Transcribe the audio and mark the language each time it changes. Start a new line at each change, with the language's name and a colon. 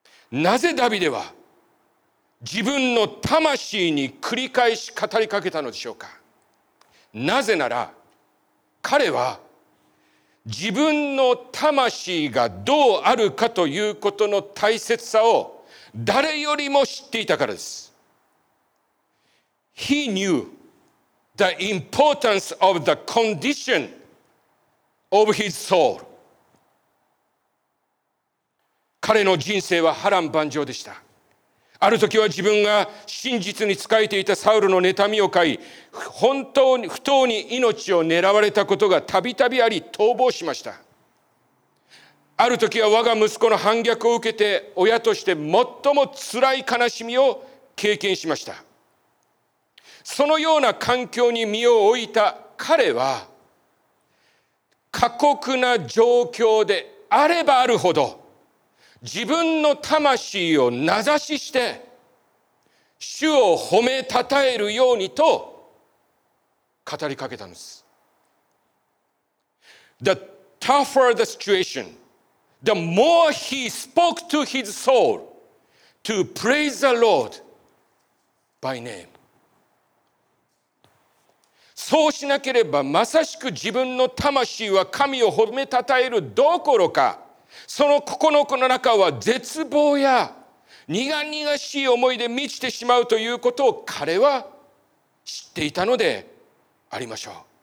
Japanese: なぜダビデは自分の魂に繰り返し語りかけたのでしょうか。なぜなら彼は自分の魂がどうあるかということの大切さを誰よりも知っていたからです。
English: He knew the importance of the condition of his soul.
Japanese: 彼の人生は波乱万丈でした。ある時は自分が真実に仕えていたサウルの妬みを買い、本当に不当に命を狙われたことがたびたびあり、逃亡しました。ある時は我が息子の反逆を受けて、親として最もつらい悲しみを経験しました。そのような環境に身を置いた彼は、過酷な状況であればあるほど自分の魂を名指しして主を褒めたたえるようにと語りかけたんです。
English: The tougher the situation, the more he spoke to his soul to praise the Lord by name.
Japanese: そうしなければまさしく自分の魂は神を褒めたたえるどころか、その心の中は絶望や苦々しい思いで満ちてしまうということを彼は知っていたのでありましょう。